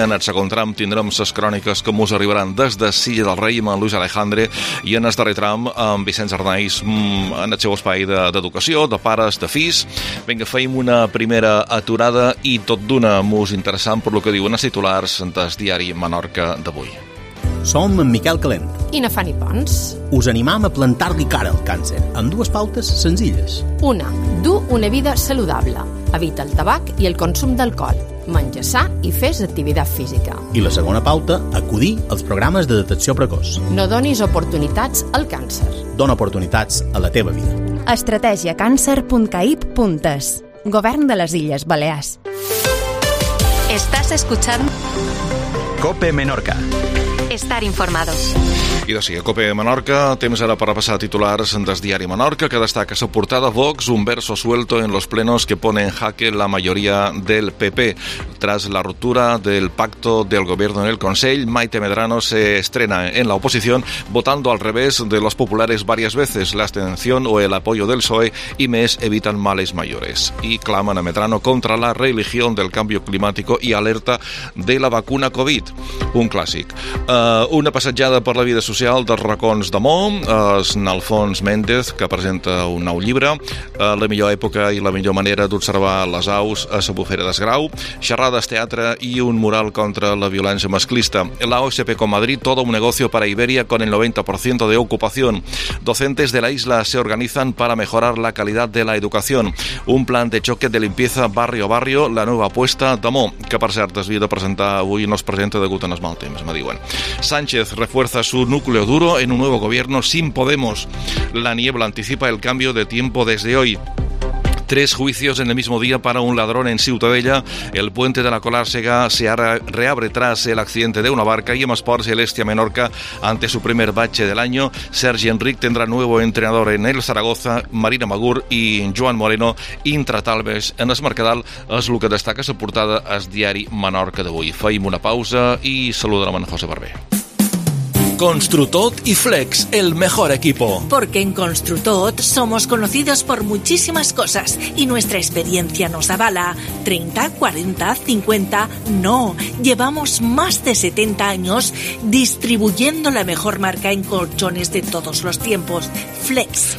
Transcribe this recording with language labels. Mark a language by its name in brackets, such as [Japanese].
[Catalan] En el segon tram tindrem ses cròniques que mos arribaran des de Silla del Rei amb en Luis Alejandre i en el darrer tram amb Vicenç Arnaiz en el seu espai d'educació, de pares, de fills. Vinga, feim una primera aturada i tot d'una mus interessant per el que diuen els titulars del diari Menorca d'avui. Som en Miquel Calent. I na Fanny Pons. Us animam a plantar-li cara al càncer amb dues pautes senzilles. Una, dur una vida saludable. Evita el tabac i el consum d'alcohol. Menja sa i fes activitat física. I la segona pauta, acudir als programes de detecció precoç. No donis oportunitats al càncer. Dona oportunitats a la teva vida. estrategiacancer.caip.es Govern de les Illes Balears. [Spanish] Estàs escuchant COPE Menorca. Estar informados. [Catalan] I de seguida, COPE Menorca, temps ara per repassar titulars del diari Menorca, que destaca la portada [Spanish] Vox, un verso suelto en los plenos que pone en jaque la mayoría del PP. Tras la ruptura del pacto del gobierno en el Consell, Maite Medrano se estrena en la oposición, votando al revés de los populares varias veces. La abstención o el apoyo del PSOE y MES evitan males mayores. Y claman a Medrano contra la religión del cambio climático y alerta de la vacuna COVID. [Catalan] Un clàssic. Una passejada per la vida social dels racons d'amor, és en Alfons Méndez, que presenta un nou llibre, La millor època i la millor manera d'observar les aus a la bufera d'Esgrau, xerrades, teatre i un mural contra la violència masclista. [Spanish] La OSP con Madrid, todo un negocio para Iberia con el 90% de ocupación. Docentes de la isla se organizan para mejorar la calidad de la educación. Un plan de choque de limpieza barrio a barrio, la nueva apuesta d'amor, [Catalan] que per cert, es havia de presentar avui i no es presenta degut en els mal temps, me diuen. [Spanish] Sánchez refuerza su núcleo duro en un nuevo gobierno sin Podemos. La niebla anticipa el cambio de tiempo desde hoy. Tres juicios en el mismo día para un ladrón en Ciutadella. El puente de la Colàrsega se reabre tras el accidente de una barca y en esports el Estia Menorca ante su primer bache del año. Sergi Enric tendrá nuevo entrenador en el Zaragoza. Marina Magur y Joan Moreno intratables en el Mercadal. [Catalan] És el que destaca la portada al diari Menorca d'avui. Feim una pausa i saludarem en José Barber. [Spanish] Construtot y Flex, el mejor equipo. Porque en Construtot somos conocidos por muchísimas cosas y nuestra experiencia nos avala. 30, 40, 50, no. Llevamos más de 70 años distribuyendo la mejor marca en colchones de todos los tiempos, Flex.